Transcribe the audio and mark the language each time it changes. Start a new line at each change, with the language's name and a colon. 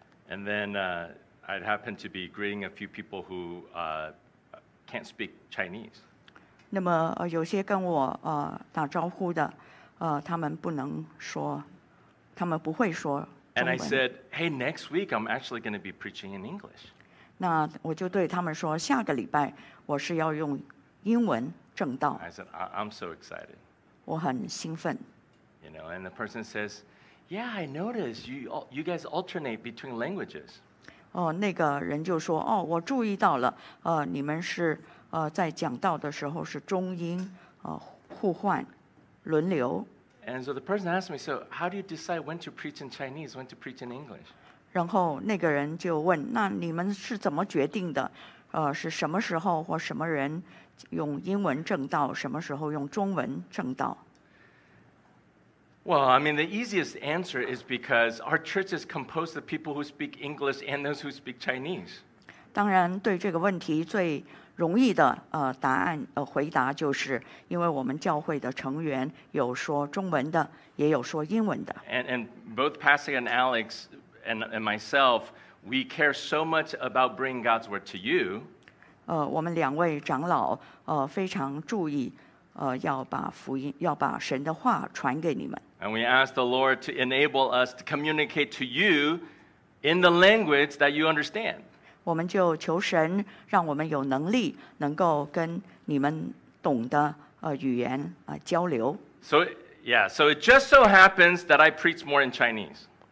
English: And then I'd happen to be greeting a few people who can't speak Chinese.
Chinese: 那么有些跟我打招呼的他们不能说他们不会说中文。
English: And I said, hey, next week I'm actually going to be preaching in English.
Chinese: 那我就对他们说下个礼拜我是要用英文证道。
English: I said, I'm so excited.
Chinese: 我很兴奋。
English: You know, and the person says, yeah, I noticed you guys alternate between languages.
Chinese: 那个人就说我注意到了你们是在讲道的时候是中英互换轮流。
English: And so the person asked me, so how do you decide when to preach in Chinese, when to preach in English?
Chinese: 然后那个人就问，那你们是怎么决定的？是什么时候或什么人用英文证道，什么时候用中文证道？
English: Well, I mean, the easiest answer is because our church is composed of people who speak English and those who speak Chinese.
Chinese: 当然，对这个问题最容易的答案回答就是因为我们教会的成员有说中文的也有说英文的。
English: And both Pastor and Alex and myself, we care so much about bringing God's word to you.
Chinese: 我们两位长老非常注意要把福音要把神的话传给你们。
English: And we ask the Lord to enable us to communicate to you in the language that you understand.
Chinese: 我们就求神让我们有能力能够跟你们懂的语言交流。
English: So yeah, so it just so happens that I preach more in Chinese.